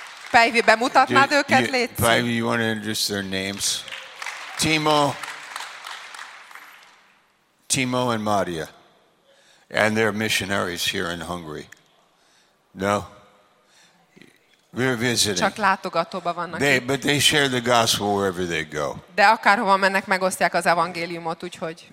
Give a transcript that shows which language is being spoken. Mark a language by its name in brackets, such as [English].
[Hungarian] Päivi, bemutatnád őket, létszik? [English] Päivi, you want to introduce their names? Timo. Timo and Maria. And they're missionaries here in Hungary. No. We're visiting. [Hungarian] Csak látogatóba vannak. [English] But they share the gospel wherever they go. [Hungarian] De akárhova mennek, megosztják az evangéliumot, úgyhogy.